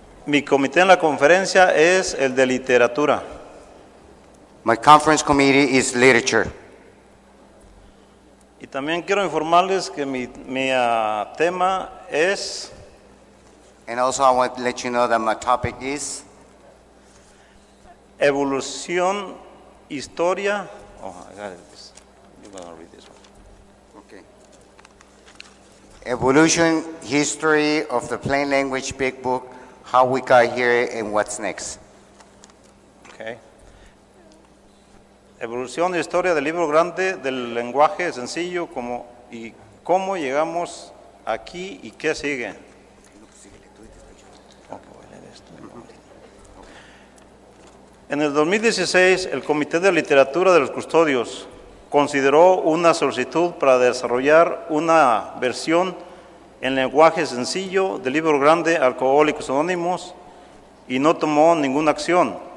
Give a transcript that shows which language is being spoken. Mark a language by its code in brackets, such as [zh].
[es] Mi comité en la conferencia es el de literatura. [en] My conference committee is literature. [es] Y también quiero informarles que mi tema es... [en] And also I want to let you know that my topic is... [es] Evolución, historia... [en] Oh, I got it. You're going to read this one. Okay. Evolution, history of the plain language big book, how we got here and what's next. Okay. [es] Evolución y historia del libro grande del lenguaje sencillo como y cómo llegamos aquí y qué sigue. En el 2016, el Comité de Literatura de los Custodios consideró una solicitud para desarrollar una versión en lenguaje sencillo del libro grande Alcohólicos Anónimos y no tomó ninguna acción.